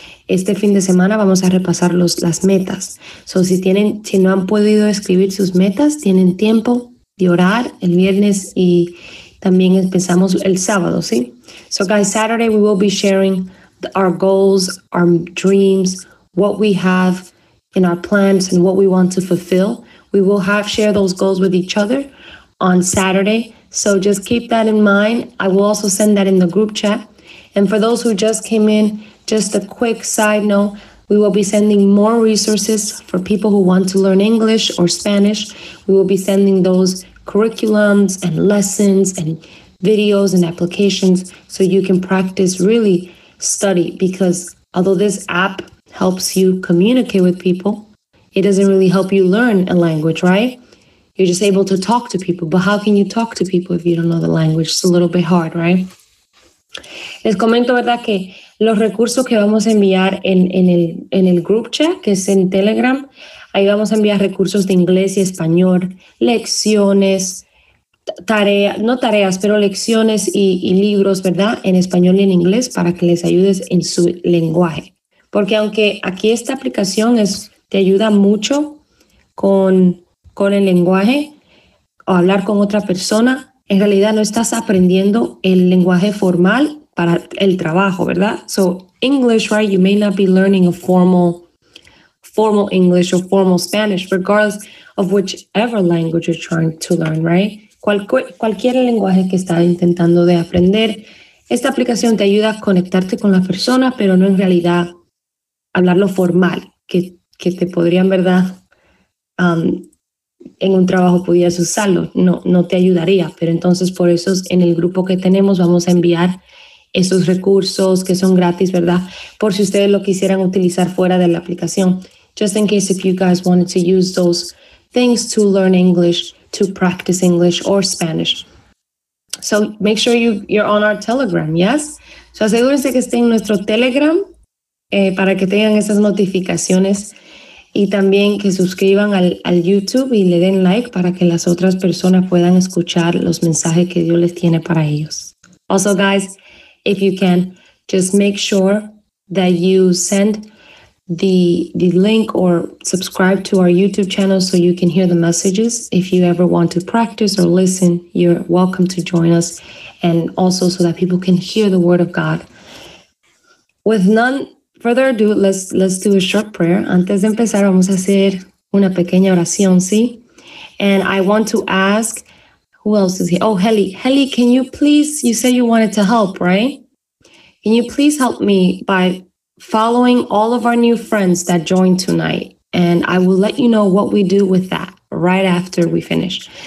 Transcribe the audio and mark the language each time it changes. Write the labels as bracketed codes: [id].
[es] Este fin de semana vamos a repasar las metas. So si no han podido escribir sus metas, tienen tiempo de orar el viernes y también empezamos el sábado, ¿sí? [en] So guys, Saturday we will be sharing our goals, our dreams, what we have in our plans and what we want to fulfill. We will have share those goals with each other on Saturday. So just keep that in mind. I will also send that in the group chat. And for those who just came in, just a quick side note, we will be sending more resources for people who want to learn English or Spanish. We will be sending those curriculums and lessons and videos and applications so you can practice, really study. Because although this app helps you communicate with people, it doesn't really help you learn a language, right? You're just able to talk to people, but how can you talk to people if you don't know the language? It's a little bit hard, right? [es] Les comento, ¿verdad?, que los recursos que vamos a enviar en el group chat, que es en Telegram, ahí vamos a enviar recursos de inglés y español, lecciones, lecciones y libros, ¿verdad?, en español y en inglés para que les ayudes en su lenguaje. Porque aunque aquí esta aplicación te ayuda mucho con el lenguaje o hablar con otra persona, en realidad no estás aprendiendo el lenguaje formal para el trabajo, ¿verdad? [en] So, English, right? You may not be learning a formal English or formal Spanish, regardless of whichever language you're trying to learn, right? [es] Cualquier lenguaje que estás intentando de aprender, esta aplicación te ayuda a conectarte con la persona, pero no en realidad hablarlo formal, que te podrían, ¿verdad? En un trabajo pudieras usarlo, no te ayudaría, pero entonces por eso en el grupo que tenemos vamos a enviar esos recursos que son gratis, ¿verdad? Por si ustedes lo quisieran utilizar fuera de la aplicación. [en] Just in case if you guys wanted to use those things to learn English, to practice English or Spanish. So make sure you're on our Telegram, ¿yes? [es] So asegúrense que estén en nuestro Telegram para que tengan esas notificaciones. Y también que suscriban al YouTube y le den like para que las otras personas puedan escuchar los mensajes que Dios les tiene para ellos. [en] Also, guys, if you can, just make sure that you send the link or subscribe to our YouTube channel so you can hear the messages. If you ever want to practice or listen, you're welcome to join us. And also so that people can hear the word of God. With none further ado, let's do a short prayer. [es] Antes de empezar, vamos a hacer una pequeña oración, ¿sí? [en] And I want to ask, who else is here? Oh, Heli. Heli, can you please, you said you wanted to help, right? Can you please help me by following all of our new friends that joined tonight? And I will let you know what we do with that right after we finish.